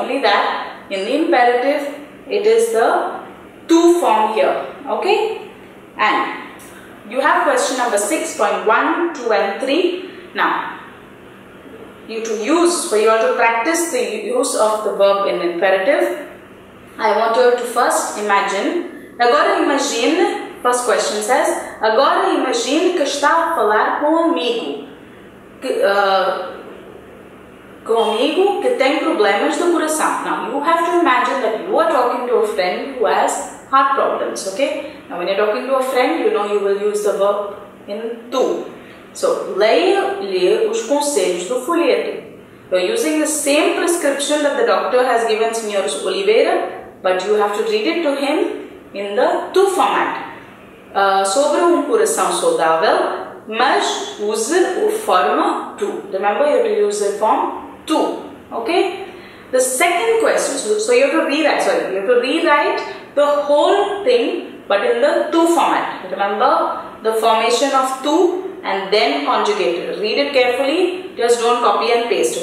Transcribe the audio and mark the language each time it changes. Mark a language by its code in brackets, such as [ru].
[en] Only that in the imperative, it is the tu form here. Okay, and you have question number 6.1, 2 and 3. Now, you have to practice the use of the verb in imperative. I want you to first imagine. [pt] Agora imagine, [en] first question says, [pt] agora imagine que está a falar com um amigo. Comigo que tem problemas do coração. [en] Now, you have to imagine that you are talking to a friend who has heart problems, okay? Now, when you're talking to a friend, you know you will use the verb in tu. [pt] So, leia-lhe os conselhos do folheto. [en] You're using the same prescription that the doctor has given Sr. Oliveira, but you have to read it to him in the tu format. [pt] Sobre coração saudável, mas use o forma tu. [en] Remember, you have to use the form tu. Okay? The second question, so you have to rewrite, you have to rewrite the whole thing, but in the tu format. Remember, the formation of tu and then conjugate it. Read it carefully, just don't copy and paste.